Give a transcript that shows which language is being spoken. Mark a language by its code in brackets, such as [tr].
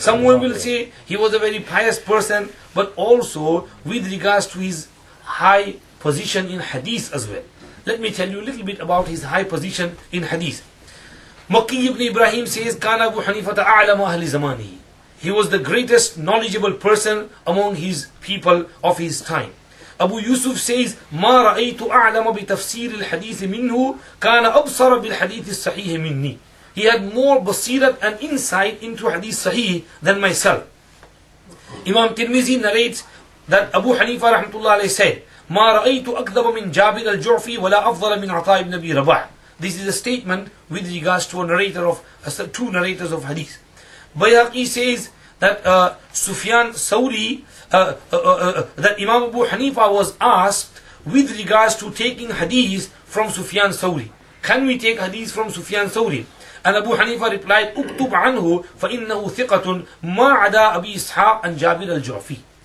[en] Someone will say he was a very pious person, but also with regards to his high position in hadith as well. Let me tell you a little bit about his high position in hadith. Makki ibn Ibrahim says, [ar] Kana Abu Hanifa ta'alama ahli zamani. [en] He was the greatest knowledgeable person among his people of his time. Abu Yusuf says, [ar] ما رأيت أعلم بتفسير الحديث منه كان أبصر بالحديث الصحيح مني. [en] He had more basirat and insight into hadith sahih than myself. Imam Tirmizi narrates that Abu Hanifa rahmatullah alayhi said, [ar] ما رأيت أكذب من جابر الجعفي ولا أفضل من عطاء بن أبي رباح. [en] This is a statement with regards to a narrator of two narrators of hadith. Bayhaqi says that Sufyan Thawri that Imam Abu Hanifa was asked with regards to taking hadith from Sufyan Thawri. Can we take hadith from Sufyan Thawri? And Abu Hanifa replied, [ar] "Uktub anhu, fa innahu thiqatun ma ada Abi Ishaq [en] and Jabir al-Jufi."